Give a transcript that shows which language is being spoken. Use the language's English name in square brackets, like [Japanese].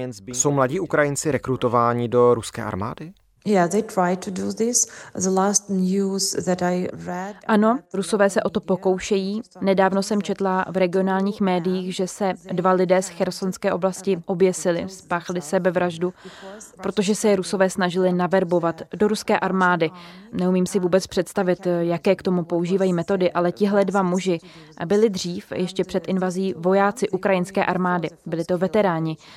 [Czech] Jsou mladí Ukrajinci rekrutováni do ruské armády? [English] Yeah, they try to do this. The last news that I read. [Czech] Ano, Rusové se o to pokoušejí. Nedávno jsem četla v regionálních médiích, že se dva lidé z chersonské oblasti oběsili, spáchli sebevraždu, protože se Rusové snažili naverbovat do ruské armády. Neumím si vůbec představit, jaké k tomu používají metody, ale tihle dva muži byli dřív, ještě před invazí, vojáci ukrajinské armády. Byli to veteráni.